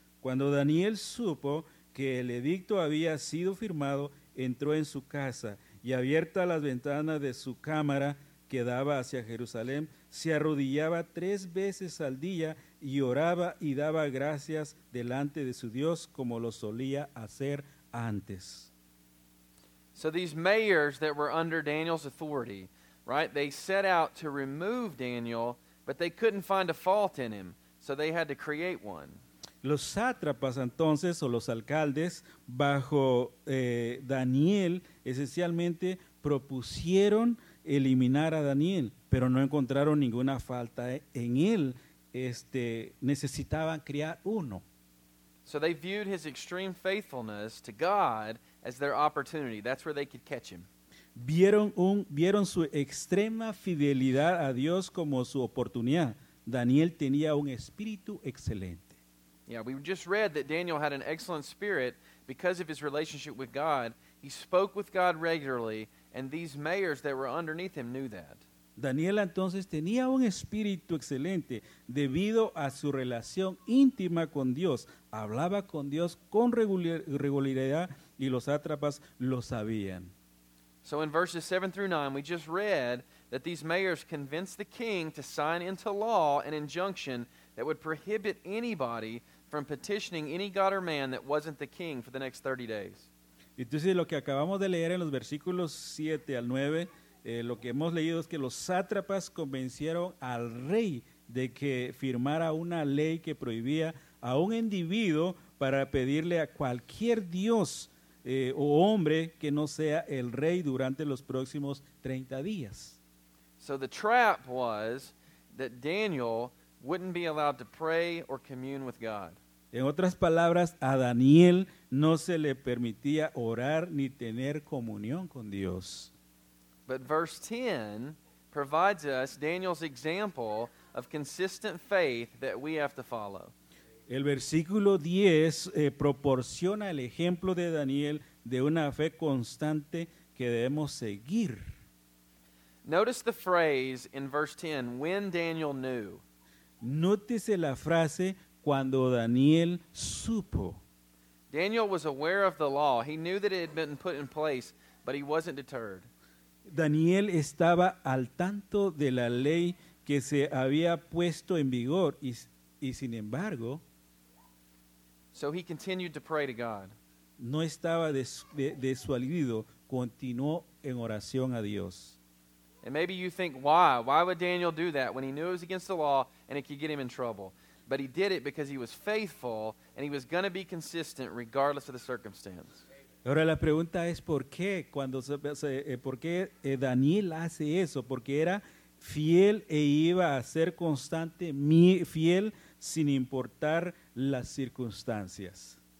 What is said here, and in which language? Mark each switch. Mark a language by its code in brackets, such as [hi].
[es] Cuando Daniel supo que el edicto había sido firmado, entró en su casa, y abierta las ventanas de su cámara que daba hacia Jerusalén, se arrodillaba tres veces al día y oraba y daba gracias delante de su Dios como lo solía hacer antes." [en] So these mayors that were under Daniel's authority, right, they set out to remove Daniel, but they couldn't find a fault in him, so they had to create one. [es] Los sátrapas entonces, o los alcaldes, bajo Daniel, esencialmente propusieron eliminar a Daniel, pero no encontraron ninguna falta en él. Necesitaban crear uno. [en] So they viewed his extreme faithfulness to God as their opportunity. That's where they could catch him. [es] Vieron su extrema fidelidad a Dios como su oportunidad. Daniel tenía un espíritu excelente. [en] Yeah, we just read that Daniel had an excellent spirit because of his relationship with God. He spoke with God regularly, and these mayors that were underneath him knew that. [es] Daniel entonces tenía un espíritu excelente debido a su relación íntima con Dios. Hablaba con Dios con regularidad y los sátrapas lo sabían. [en] So in verses 7 through 9, we just read that these mayors convinced the king to sign into law an injunction that would prohibit anybody from petitioning any god or man that wasn't the king for the next 30 days. [es] Entonces lo que acabamos de leer en los versículos 7 al 9, lo que hemos leído es que los sátrapas convencieron al rey de que firmara una ley que prohibía a un individuo para pedirle a cualquier dios o hombre que no sea el rey durante los próximos 30 días. [en] So the trap was that Daniel wouldn't be allowed to pray or commune with God. [es] En otras palabras, a Daniel no se le permitía orar ni tener comunión con Dios. [en] But verse 10 provides us Daniel's example of consistent faith that we have to follow. [es] El versículo 10 proporciona el ejemplo de Daniel de una fe constante que debemos seguir. [en] Notice the phrase in verse 10, when Daniel knew. [es] Nótese la frase, cuando Daniel supo. [en] Daniel was aware of the law. He knew that it had been put in place, but he wasn't deterred. [es] Daniel estaba al tanto de la ley que se había puesto en vigor y sin embargo, [en] so he continued to pray to God. [es] No estaba desvalido, continuó en oración a Dios. [en] And maybe you think, why? Why would Daniel do that when he knew it was against the law and it could get him in trouble? But he did it because he was faithful and he was going to be consistent regardless of the circumstance. [es] Ahora la pregunta es por qué cuando por qué Daniel hace eso, porque era fiel e iba a ser constante, fiel sin importar las circunstancias.